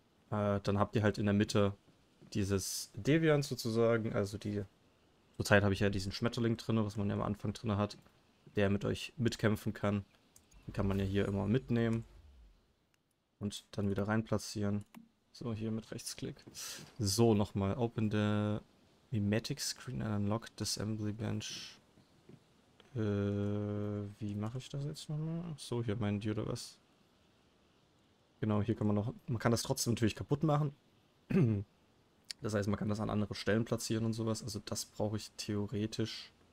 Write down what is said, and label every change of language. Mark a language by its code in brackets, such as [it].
[de] Dann habt ihr halt in der Mitte dieses Deviant sozusagen, also die. Zurzeit habe ich ja diesen Schmetterling drin, was man ja am Anfang drin hat, der mit euch mitkämpfen kann. Den kann man ja hier immer mitnehmen und dann wieder reinplatzieren. So, hier mit Rechtsklick. So, nochmal. [en] Open the Mimetic Screen and unlock the Assembly Bench. [de] Wie mache ich das jetzt nochmal? So, hier mein Dude oder was? Genau, hier kann man noch. Man kann das trotzdem natürlich kaputt machen. Das heißt, man kann das an andere Stellen platzieren und sowas. Also das brauche ich theoretisch.